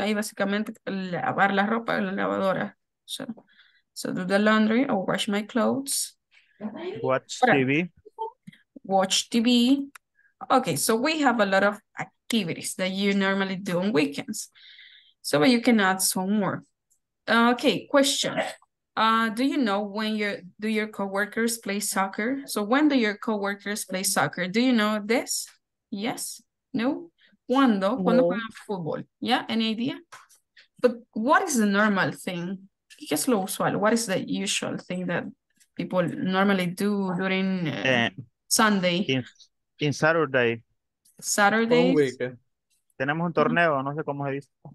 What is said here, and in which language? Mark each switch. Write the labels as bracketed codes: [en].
[es] Ahí básicamente lavar la ropa en la lavadora. [en] So do the laundry or wash my clothes. Watch TV. Okay, so we have a lot of activities that you normally do on weekends. So you can add some more. Okay, question. Do you know when do your coworkers play soccer? So when do your coworkers play soccer? Do you know this? Yes? No? [es] ¿Cuándo? ¿Cuándo juegan fútbol? [en] Yeah, any idea? But what is the normal thing? [es] ¿Qué es lo usual? [en] What is the usual thing that people normally do during Sunday? In Saturday. Saturday. [es] Tenemos un torneo, no sé cómo se dice.